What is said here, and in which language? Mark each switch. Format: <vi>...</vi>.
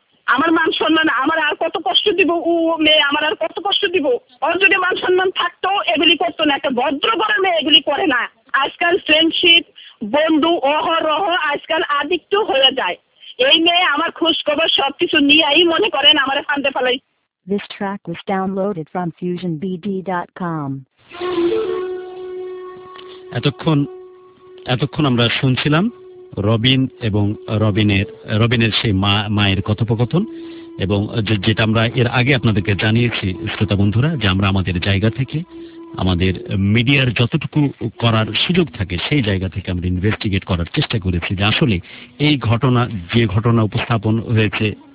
<bn>আমার মান সম্মান আমার আর কত কষ্ট দিব, ও মেয়ে আমার আর কত কষ্ট দিব? ওর যদি মান সম্মান থাকতো এগুলি করতো না, একটা ভদ্র ঘরের মেয়ে এগুলি করে না। আজকাল ফ্রেন্ডশিপ বন্ধু অহরহ আজকাল আদিক্ত হয়ে যায়। এই মেয়ে আমার খোঁজখবর সবকিছু নিয়েই মনে করেন আমার ফান্দে ফেলাই।</bn> <en>This track was downloaded from fusionbd.com.</en> <bn>এতক্ষণ আমরা শুনছিলাম রবিন এবং রবিনের সেই মায়ের কথোপকথন, এবং যেটা আমরা এর আগে আপনাদেরকে জানিয়েছি শ্রোতা বন্ধুরা, যে আমরা আমাদের জায়গা থেকে আমাদের মিডিয়ার যতটুকু করার সুযোগ থাকে সেই জায়গা থেকে আমরা ইনভেস্টিগেট করার চেষ্টা করেছি যে আসলে এই ঘটনা, যে ঘটনা উপস্থাপন হয়েছে</bn>